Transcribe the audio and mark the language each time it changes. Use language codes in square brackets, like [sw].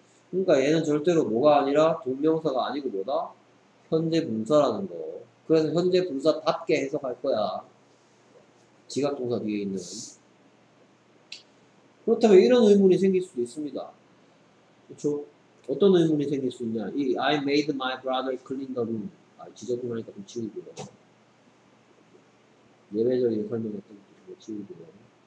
[ko] 그러니까 얘는 절대로 뭐가 아니라 동명사가 아니고 뭐다? 현재 분사라는 거. 그래서 현재 분사답게 해석할 거야. 지각동사 뒤에 있는. 그렇다면 이런 의문이 생길 수도 있습니다. 그렇죠? 어떤 의문이 생길 수 있냐? [en] 이 I made my brother clean the room. [ko] 아, 지저분하니까 좀 지우고요. 예배적인 설명했던 것도 지우고요.